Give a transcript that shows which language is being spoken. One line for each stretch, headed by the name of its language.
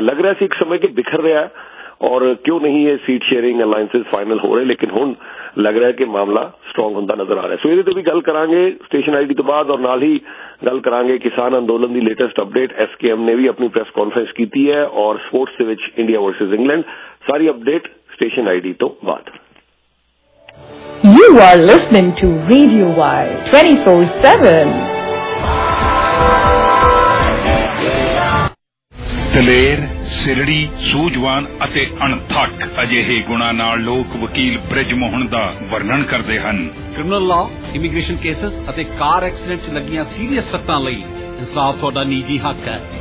Punjabi: ਲੱਗ ਰਿਹਾ ਸੀ ਇੱਕ ਸਮੇਂ ਕਿ ਬਿਖਰ ਰਿਹਾ, ਔਰ ਕਿਉਂ ਨਹੀਂ ਇਹ ਸੀਟ ਸ਼ੇਅਰਿੰਗ ਅਲਾਇੰਸਿਸ ਫਾਈਨਲ ਹੋ ਰਹੇ, ਲੇਕਿਨ ਹੁਣ ਲੱਗ ਰਿਹਾ ਕਿ ਮਾਮਲਾ ਸਟਰੋਂਗ ਹੁੰਦਾ ਨਜ਼ਰ ਆ ਰਿਹਾ। ਸੋ ਇਹਦੇ ਤੋਂ ਵੀ ਗੱਲ ਕਰਾਂਗੇ ਸਟੇਸ਼ਨ ਆਈ ਡੀ ਤੋਂ ਬਾਅਦ, ਔਰ ਨਾਲ ਹੀ ਗੱਲ ਕਰਾਂਗੇ ਕਿਸਾਨ ਅੰਦੋਲਨ ਦੀ latest update. S K M ਨੇ ਵੀ ਆਪਣੀ ਪ੍ਰੈਸ ਕਾਨਫਰੰਸ ਕੀਤੀ ਹੈ, ਔਰ ਸਪੋਰਟਸ ਦੇ ਵਿੱਚ India versus England, sorry update station I D ਤੋਂ ਬਾਅਦ।
English: You are listening to Radio Y 24/7.
Punjabi: ਦਲੇਰ, ਸਿਰੜੀ, ਸੂਝਵਾਨ ਅਤੇ ਅਣਥੱਕ ਅਜਿਹੇ ਗੁਣਾਂ ਨਾਲ ਲੋਕ ਵਕੀਲ ਬ੍ਰਿਜ ਮੋਹਨ ਦਾ ਵਰਣਨ ਕਰਦੇ ਹਨ। ਕ੍ਰਿਮੀਨਲ ਲਾ, ਇਮੀਗ੍ਰੇਸ਼ਨ ਕੇਸਸ ਅਤੇ ਕਾਰ ਐਕਸੀਡੈਂਟ ਚ ਲੱਗੀਆਂ ਸੀਰੀਅਸ ਸੱਟਾਂ ਲਈ ਇਨਸਾਫ਼ ਤੁਹਾਡਾ ਨਿੱਜੀ ਹੱਕ ਹੈ।